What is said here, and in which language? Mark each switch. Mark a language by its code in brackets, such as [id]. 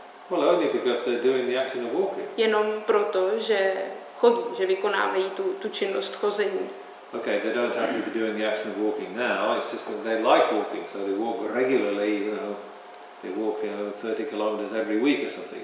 [en] Well, only because they're doing the action of walking. [cs] Jenom proto, že chodí, že vykonávají tu činnost chození. [en] Okay, they don't have to be doing the action of walking now. It's just that they like walking, so they walk regularly. You know, they walk, you know, 30 kilometers every week or something.